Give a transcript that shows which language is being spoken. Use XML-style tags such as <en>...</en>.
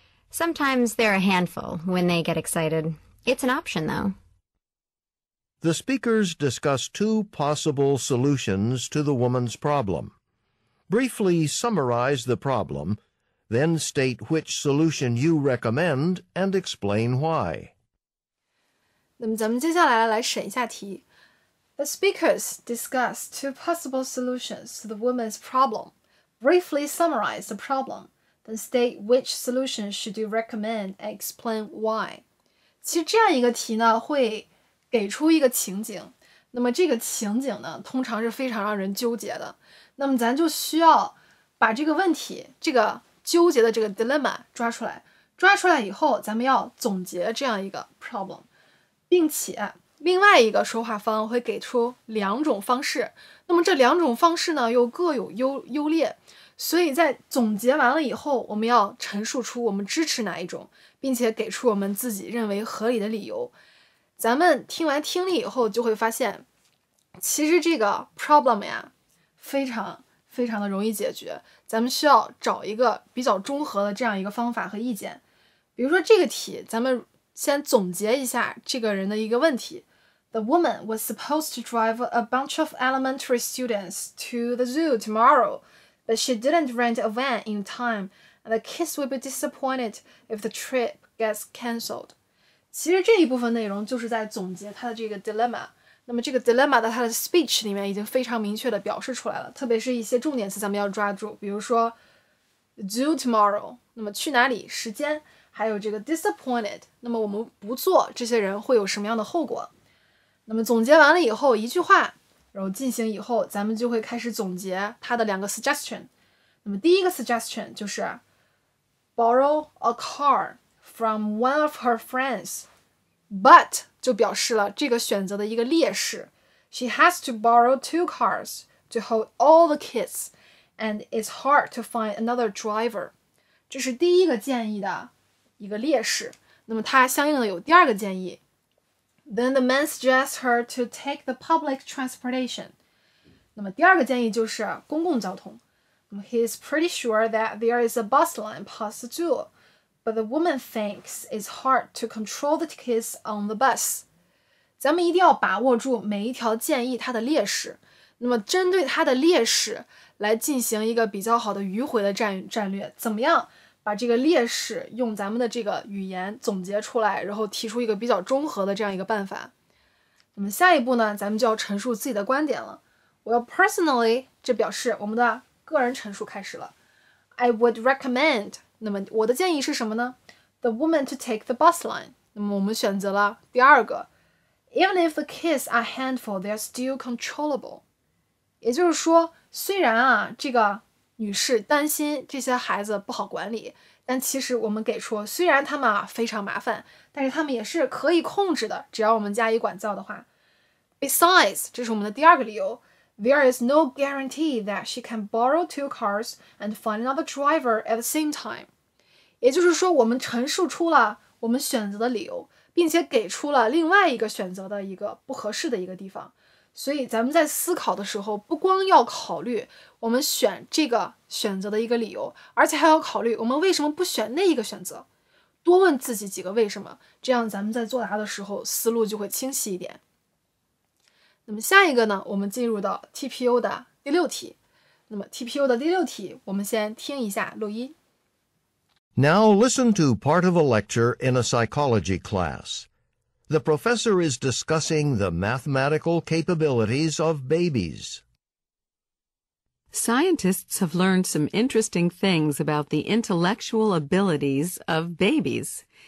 <en>Sometimes they're a handful when they get excited. It's an option, though. The speakers discuss two possible solutions to the woman's problem. Briefly summarize the problem, then state which solution you recommend and explain why.</en> <zh>那么咱们接下来来审一下题。</zh> <en>The speakers discuss two possible solutions to the woman's problem. Briefly summarize the problem, then state which solution should you recommend and explain why.</en> <zh>其实这样一个题呢，会给出一个情景。那么这个情景呢，通常是非常让人纠结的。那么咱就需要把这个问题，这个纠结的这个 dilemma 抓出来。抓出来以后，咱们要总结这样一个 problem， 并且另外一个说话方会给出两种方式，那么这两种方式呢又各有优劣，所以在总结完了以后，我们要陈述出我们支持哪一种，并且给出我们自己认为合理的理由。咱们听完听力以后就会发现，其实这个 problem 呀非常非常的容易解决，咱们需要找一个比较综合的这样一个方法和意见。比如说这个题，咱们先总结一下这个人的一个问题。</zh> <en>The woman was supposed to drive a bunch of elementary students to the zoo tomorrow, but she didn't rent a van in time, and the kids will be disappointed if the trip gets cancelled.</en> <zh>其实这一部分内容就是在总结他的这个 dilemma。那么这个 dilemma 在他的 speech 里面已经非常明确的表示出来了，特别是一些重点词咱们要抓住，比如说</zh> <en>zoo tomorrow，</en> <zh>那么去哪里，时间，还有这个 disappointed， 那么我们不做，这些人会有什么样的后果？那么总结完了以后，一句话，然后进行以后，咱们就会开始总结他的两个 suggestion。那么第一个 suggestion 就是</zh> <en>borrow a car from one of her friends，</en> <zh>but 就表示了这个选择的一个劣势。</zh> <en>She has to borrow two cars to hold all the kids， and it's hard to find another driver。</en> <zh>这是第一个建议的一个劣势。那么他相应的有第二个建议。</zh> <en>Then the man suggests her to take the public transportation.</en> <zh>那么第二个建议就是公共交通。</zh> <en>He is pretty sure that there is a bus line past the zoo, but the woman thinks it's hard to control the kids on the bus.</en> <zh>咱们一定要把握住每一条建议它的劣势，那么针对它的劣势来进行一个比较好的迂回的战略，怎么样把这个劣势用咱们的这个语言总结出来，然后提出一个比较综合的这样一个办法。那么下一步呢，咱们就要陈述自己的观点了。</zh> <en>Well, personally,</en> <zh>这表示我们的个人陈述开始了。</zh> <en>I would recommend,</en> <zh>那么我的建议是什么呢？</zh> <en>The woman to take the bus line.</en> <zh>那么我们选择了第二个。</zh> <en>Even if the kids are handful, they're still controllable.</en> <zh>也就是说，虽然啊，这个女士担心这些孩子不好管理，但其实我们给出，虽然他们啊非常麻烦，但是他们也是可以控制的，只要我们加以管教的话。</zh> <en>Besides,</en> <zh>这是我们的第二个理由，</zh> <en>There is no guarantee that she can borrow two cars and find another driver at the same time.</en> <zh>也就是说，我们陈述出了我们选择的理由，并且给出了另外一个选择的一个不合适的一个地方。所以咱们在思考的时候，不光要考虑我们选这个选择的一个理由，而且还要考虑我们为什么不选那一个选择，多问自己几个为什么，这样咱们在作答的时候思路就会清晰一点。那么下一个呢，我们进入到 TPO 的第六题。那么 TPO 的第六题，我们先听一下录音。</zh> <en>Now listen to part of a lecture in a psychology class. The professor is discussing the mathematical capabilities of babies. Scientists have learned some interesting things about the intellectual abilities of babies.</en>